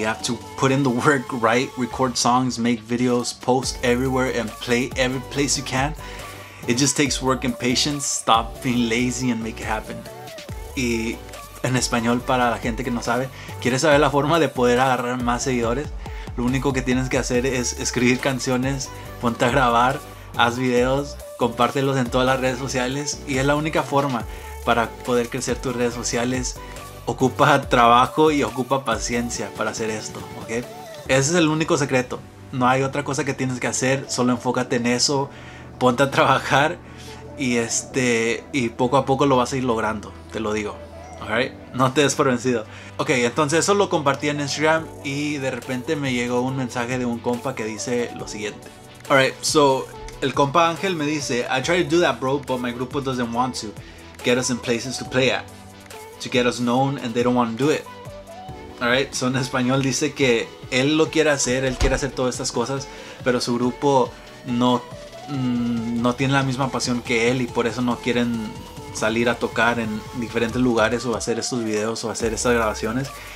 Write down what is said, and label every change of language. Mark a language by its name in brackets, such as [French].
[English] You have to put in the work, write, record songs, make videos, post everywhere, and play every place you can. It just takes work and patience. Stop being lazy and make it happen." [Spanish] Y en español, para la gente que no sabe, ¿quieres saber la forma de poder agarrar más seguidores? Lo único que tienes que hacer es escribir canciones, ponte a grabar, haz videos, compártelos en todas las redes sociales, y es la única forma para poder crecer tus redes sociales. Ocupa trabajo y ocupa paciencia para hacer esto, ¿ok? Ese es el único secreto. No hay otra cosa que tienes que hacer, solo enfócate en eso, ponte a trabajar y poco a poco lo vas a ir logrando, te lo digo. [English] Alright, [Spanish] no te des por vencido. Ok, entonces eso lo compartí en Instagram y de repente me llegó un mensaje de un compa que dice lo siguiente. [English] Alright, so [Spanish] el compa Ángel me dice: [English] "I try to do that, bro, but my grupo doesn't want to get us in places to play at, to get us known, and they don't want to do it." Alright, so [Spanish] en español dice que él lo quiere hacer, él quiere hacer todas estas cosas, pero su grupo no tiene la misma pasión que él y por eso no quieren salir a tocar en diferentes lugares o hacer estos videos o hacer estas grabaciones.